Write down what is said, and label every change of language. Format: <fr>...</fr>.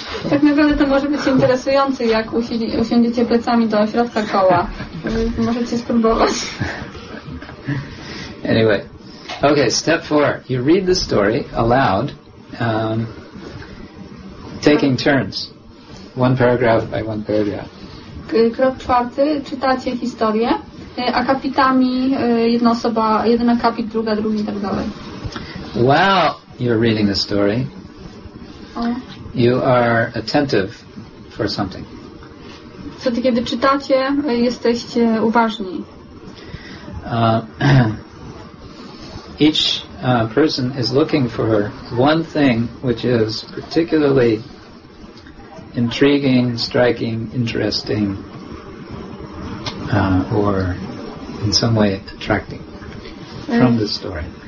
<pl>Tak naprawdę to może być interesujące, jak usiądziecie plecami do środka koła. Możecie spróbować.</pl> <en>Anyway. Okay, step four. You read the story aloud, taking turns. One paragraph by one paragraph.</en> <pl>Krok czwarty, czytacie historię, akapitami, jedna osoba, jeden akapit, druga, drugi, i tak dalej.</pl> <en>While you're reading the story, you are attentive for something.</en> <pl>Co ty, kiedy czytacie, jesteście uważni.</pl> <en>Each person is looking for one thing which is particularly intriguing, striking, interesting, or in some way attracting from the story.</en>